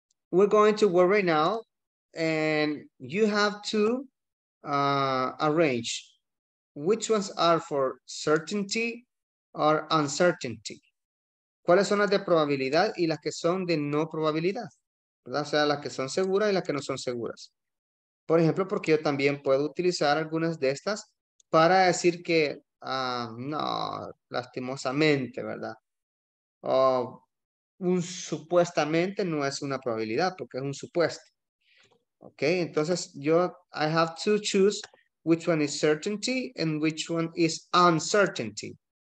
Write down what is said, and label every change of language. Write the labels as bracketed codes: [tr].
[en] We're going to work right now, and you have to arrange which ones are for certainty or uncertainty. [es] ¿Cuáles son las de probabilidad y las que son de no probabilidad? ¿Verdad? O sea, las que son seguras y las que no son seguras. Por ejemplo, porque yo también puedo utilizar algunas de estas para decir que no, lastimosamente, ¿verdad? O un supuestamente no es una probabilidad porque es un supuesto. [en] Ok, [es] entonces yo, [en] I have to choose which one is certainty and which one is uncertainty.